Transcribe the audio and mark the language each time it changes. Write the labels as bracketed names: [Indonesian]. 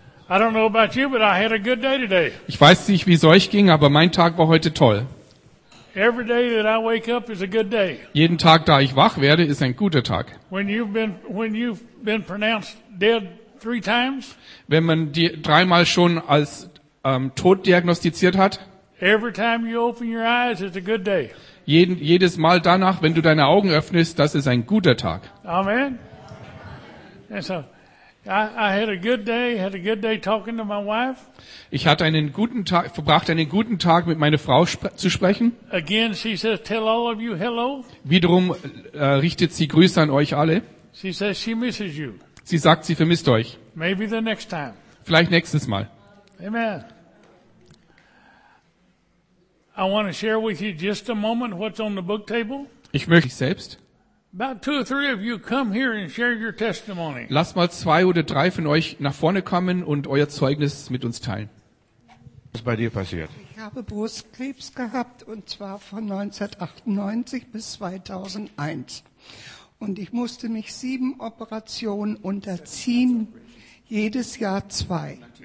[English] I don't know about you, but I had a good day today. [German] Ich weiß nicht, wie es euch ging, aber mein Tag war heute toll. [English] Every day that I wake up is a good day. [German] Jeden Tag, da ich wach werde, ist ein guter Tag. [English] When you've been pronounced dead three times, [German] wenn man die dreimal schon als tot diagnostiziert hat. [English] Every time you open your eyes, it's a good day. [German] Jedes Mal danach, wenn du deine Augen öffnest, das ist ein guter Tag. [English] Amen. And so, I had a good day. Had a good day talking to my wife. [German] Ich hatte einen guten Tag, verbrachte einen guten Tag mit meiner Frau zu sprechen. [English] Again, she says, "Tell all of you hello." [German] Wiederum richtet sie Grüße an euch alle. [English] She says she misses you. [German] Sie sagt, sie vermisst euch. [English] Maybe the next time. [German] Vielleicht nächstes Mal. [English] Amen. I want to share with you just a moment what's on the book table. [German] Ich möchte selbst. [English] About two or three of you come here and share your testimony. [German] Lass mal zwei oder drei von euch nach vorne kommen und euer Zeugnis mit uns teilen. Was ist bei dir passiert? Ich habe Brustkrebs gehabt und zwar von 1998 bis 2001. Und ich musste mich 7 Operationen unterziehen, jedes Jahr 2.